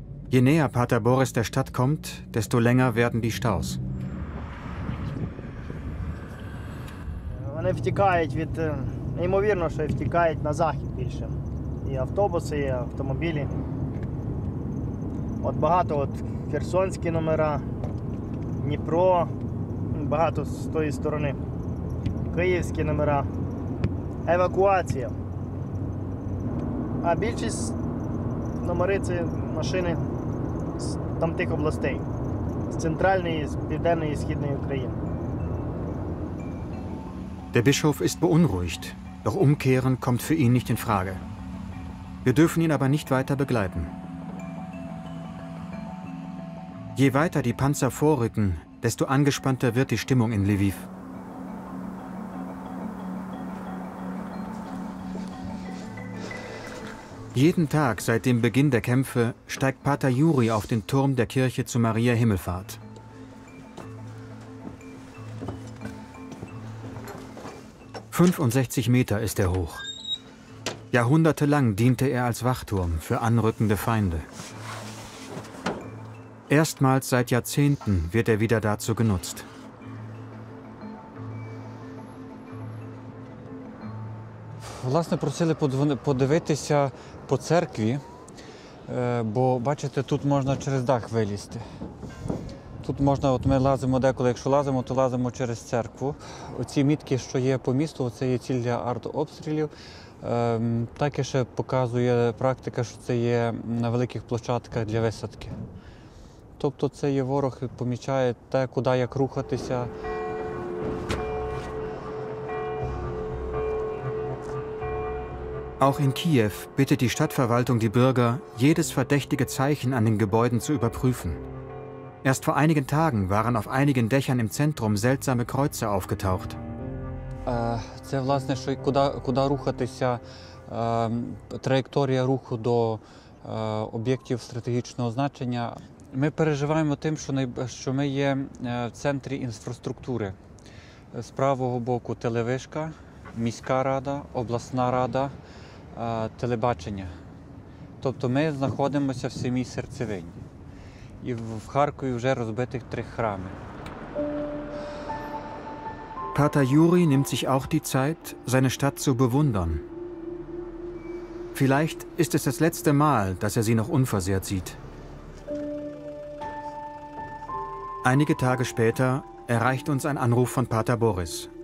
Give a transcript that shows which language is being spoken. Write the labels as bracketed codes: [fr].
[de] Je näher Pater Boris der Stadt kommt, desto länger werden die Staus. [uk] Вони втікають від, неймовірно, що втікають на захід більше. І автобуси, і автомобілі. От багато от херсонські номера, Дніпро, багато з тої сторони, київські номера, евакуація. А більшість номери – це машини з тамтих областей, з центральної, з південної, східної України. [de] Der Bischof ist beunruhigt, doch umkehren kommt für ihn nicht in Frage. Wir dürfen ihn aber nicht weiter begleiten. Je weiter die Panzer vorrücken, desto angespannter wird die Stimmung in Lviv. Jeden Tag seit dem Beginn der Kämpfe steigt Pater Juri auf den Turm der Kirche zu Maria Himmelfahrt. Meter ist er hoch. Jahrhundertelang diente er als Wachturm für anrückende Feinde. Erstmals seit Jahrzehnten wird er wieder dazu genutzt. [uk] Власне, просили подивитися по церкві, бо бачите, тут можна через дах вилізти. Тут можна, от ми лазимо деколи, якщо лазимо, то лазимо через церкву. Оці мітки, що є по місту, це є ціль для артобстрілів. Так ще показує практика, що це є на великих площадках для висадки. Тобто це є ворог, помічає те, куди як рухатися. [de] Auch in Kiew bittet die Stadtverwaltung die Bürger, jedes verdächtige Zeichen an den Gebäuden zu überprüfen. Erst vor einigen Tagen waren auf einigen Dächern im Zentrum seltsame Kreuze aufgetaucht. [uk] Це власне, що куди рухатися, траєкторія руху до об'єктів стратегічного значення. Ми переживаємо тим, що ми є в центрі інфраструктури. З правого боку телевишка, міська рада, обласна рада, телебачення. Тобто ми знаходимося в самій серцевині. І в Харкові вже розбитих 3 храми. [de] Pater Juri nimmt sich auch die Zeit, seine Stadt zu bewundern. Vielleicht ist es das letzte Mal, dass er sie noch unversehrt sieht. Einige Tage später erreicht uns ein Anruf von Pater Boris.